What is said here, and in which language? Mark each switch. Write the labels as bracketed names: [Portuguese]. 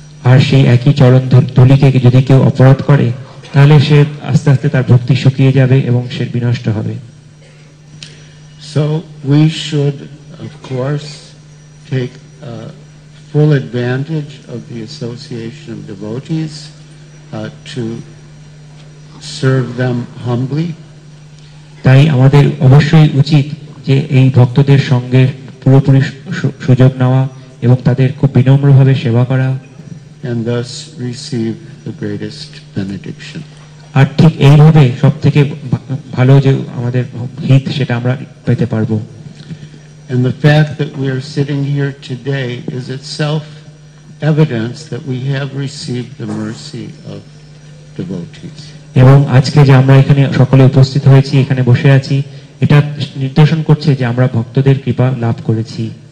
[Bangla] আর সেই একই চরণ ধুলিকে যদি কেউ অপরাধ করে তাহলে সে আস্তে আস্তে তার ভক্তি শুকিয়ে যাবে এবং সে বিনষ্ট হবে। [English] So we should of course take full advantage of the association of devotees to serve them humbly. [Bangla] তাই আমাদের অবশ্যই উচিত যে এই ভক্তদের সঙ্গে পুরোপুরি সুযোগ নেওয়া এবং তাদের খুব বিনম্রভাবে সেবা করা। [English] And thus receive the greatest benediction. [Bangla] আর ঠিক এইভাবে সব থেকে ভালো যে আমাদের হিত সেটা আমরা পেতে পারবো। [English] And the fact that we are sitting here today is itself evidence that we have received the mercy of devotees. [Bangla] এবং আজকে যে আমরা এখানে সকলে উপস্থিত হয়েছি এখানে বসে আছি এটা নির্দেশন করছে যে আমরা ভক্তদের কৃপা লাভ করেছি।